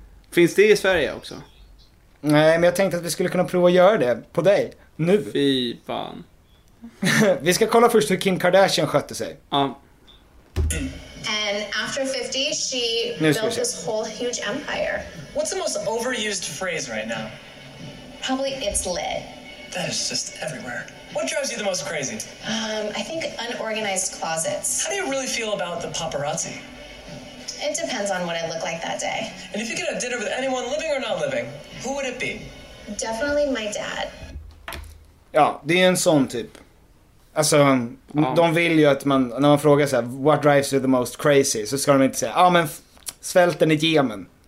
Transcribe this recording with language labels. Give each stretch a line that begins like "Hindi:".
Swedish: Finns det i Sverige också? Nej, men jag tänkte att vi skulle kunna prova att göra det på dig nu. Fy fan. Vi ska kolla först hur Kim Kardashian skötte sig. Ja.
English: And after 50 she built this whole huge empire. What's the most overused phrase right now? Probably it's lit. That is just everywhere. What drives you the most crazy? I think unorganized closets. How do you really feel about the paparazzi? It depends on what it looked like that day. And if you could have dinner with anyone living or not living, who would it be? Definitely my dad.
Swedish: Ja, det är en sån typ. Alltså, ja, de vill ju att man, när man frågar så här,
English: what drives you the most crazy,
Swedish: så ska de inte säga, ja, ah, men svälten i Yemen.